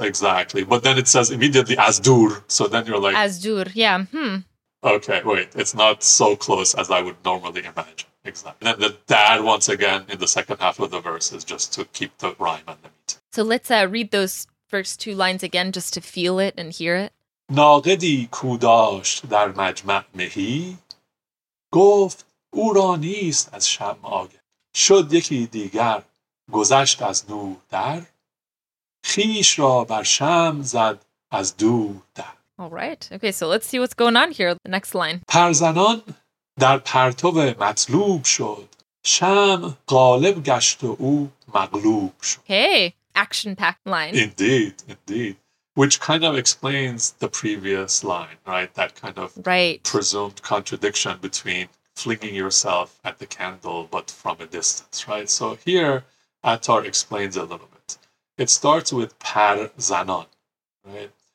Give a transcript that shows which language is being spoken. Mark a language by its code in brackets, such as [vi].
[en] Exactly. But then it says immediately Azdur. So then you're like... Azdur, yeah. Okay, wait. It's not so close as I would normally imagine. Exactly. And then the dad, once again, in the second half of the verse is just to keep the rhyme and the meter. So let's read those first two lines again just to feel it and hear it. [fa] ناقدی کوداشت در مجمع مهی گفت او را نیست از شمع آگه شد یکی دیگر گذشت از نور در خیش را بر شمع زد از دور در. [en] All right. Okay, so let's see what's going on here. The next line. [fa] پرزنان در پرتو مطلوب شد شمع غالب گشت و او مغلوب شد. [en] Hey, action-packed line. Indeed, indeed. Which kind of explains the previous line, right? That kind of presumed contradiction between flinging yourself at the candle, but from a distance, right? So here, Attar explains a little bit. It starts with par zanon, right?